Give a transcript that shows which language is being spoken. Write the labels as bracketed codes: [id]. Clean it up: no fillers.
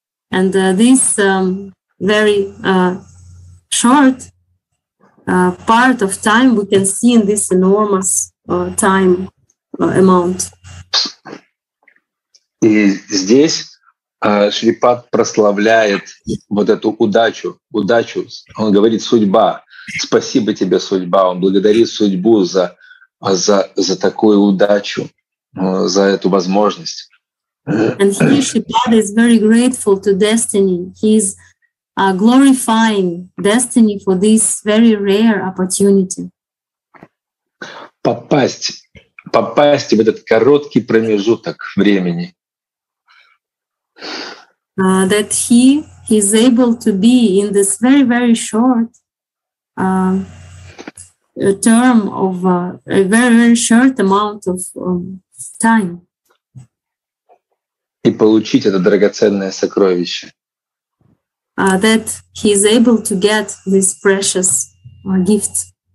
[en] And this very short part of time we can see in this enormous time amount. [ru] И здесь Шрипад прославляет вот эту удачу. Удачу, он говорит, судьба. Спасибо тебе, судьба. Он благодарит судьбу за такую удачу, за эту возможность. [en] And here Шрипад is very grateful to destiny. He's glorifying destiny for this very rare opportunity. [ru] Попасть в этот короткий промежуток времени. [en] That he is able to be in this very, very short term of a very, very short amount of time. [ru] И получить это драгоценное сокровище. [en] That he is able to get this precious gift.